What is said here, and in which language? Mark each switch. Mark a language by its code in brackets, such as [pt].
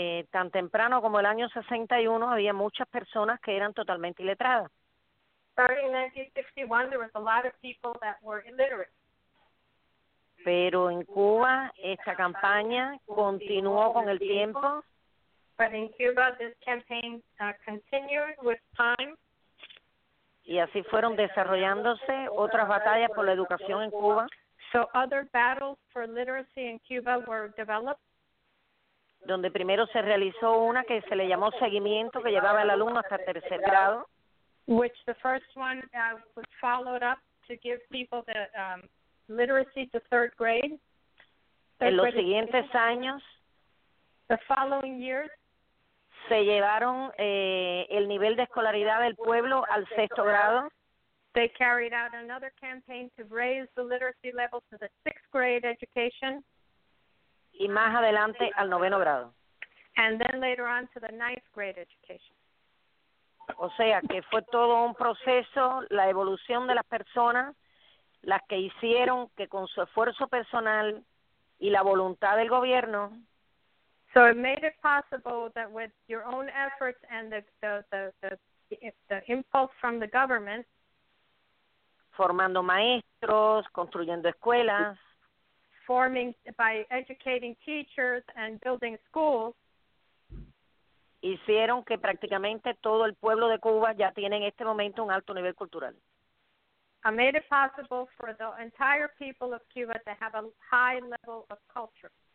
[es] Tan temprano como el año 61 había muchas personas que eran totalmente iletradas. [en] Starting in 1961, there was a lot of people that were illiterate. [es] Pero en Cuba esta campaña continuó con el tiempo. [en] But in Cuba this campaign continued with time. [es] Y así fueron desarrollándose otras batallas por la educación en Cuba. [en] So other battles for literacy in Cuba were developed. [es] Donde primero se realizó una que se le llamó seguimiento, que llevaba al alumno hasta tercer grado. [en] Which the first one was followed up to give people the literacy to third grade. [es] En los siguientes años, [en] the following years, [es] se llevaron el nivel de escolaridad del pueblo al sexto grado. [en] They carried out another campaign to raise the literacy level to the sixth grade education. [es] Y más adelante al noveno grado. [en] And then later on to the ninth grade education. [es] O sea, que fue todo un proceso, la evolución de las personas, las que hicieron que con su esfuerzo personal y la voluntad del gobierno. [en] So it made it possible that with your own efforts and the impulse from the government, [es] formando maestros, construyendo escuelas, [en] forming by educating teachers and building schools, [es] hicieron que prácticamente todo el pueblo de Cuba ya tiene en este momento un alto nivel cultural. [en] I made it possible for the entire people of Cuba to have a high level of culture.